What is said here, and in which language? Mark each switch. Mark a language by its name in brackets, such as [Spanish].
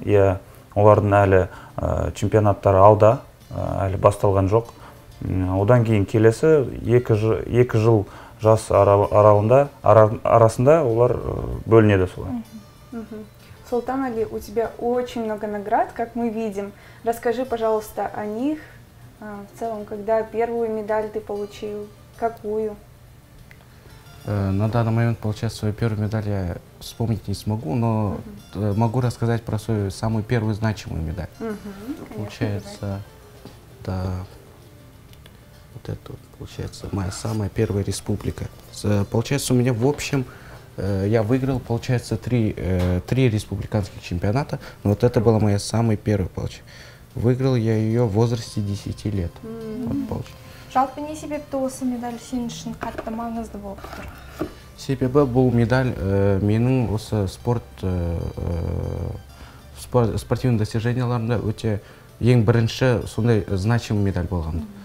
[Kazakh] Иә, олардың әлі чемпионаттар алда, әлі басталған жоқ. Одан кейін келесі екі жыл жас арасында олар бөлінеді солай. [Russian] Султан Али, у тебя очень много наград, как мы видим. Расскажи, пожалуйста, о них. В целом, когда первую медаль ты получил? Какую? На данный момент, получается, свою первую медаль я вспомнить не смогу, но могу рассказать про свою самую первую значимую медаль. Конечно, получается, да. Вот это вот, получается, моя самая первая республика. Получается, у меня в общем, я выиграл, получается, три республиканских чемпионата. Но вот это была моя самая первая, получается. Выиграл я ее в возрасте 10 лет. [Kazakh] Жалпы не себе, кто осы медаль сен үшін қатты маңызды болып тұр? Себебі бұл медаль менің осы [Russian] спортивный достижениеларымда [Kazakh] өте ең бірінші сондай значимый медаль болған.